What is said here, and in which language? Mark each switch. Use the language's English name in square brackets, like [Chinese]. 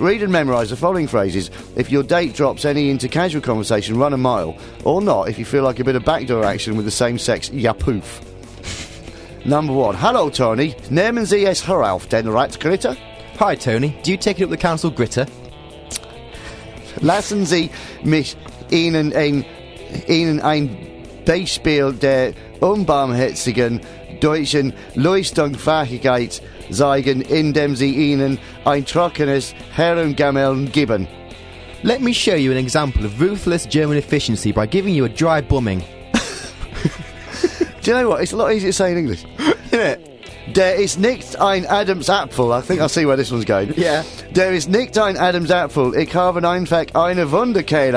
[English] Read and memorise the following phrases. If your date drops any into casual conversation, run a mile. Or not, if you feel like a bit of backdoor action with the same sex, ya poof. Number one. Hello, Tony. [German] Nehmen Sie es herauf, den Rat Gritter? [English] Hi, Tony. Do you take it up the council gritter? [German] Lassen Sie mich Ihnen ein Beispiel der unbarmherzigen deutschen Leistungsfähigkeit zeigen, indem sie ihnen ein trockenes Herrengammeln geben. [English] Let me show you an example of ruthless German efficiency by giving you a dry bumming. Do you know what? It's a lot easier to say in English. Isn't it? [German] Der ist nicht ein Adams Apfel. [English] I think I see where this one's going. Yeah. [German] Der ist nicht ein Adams Apfel. Ich habe einfach eine Wunderkehle.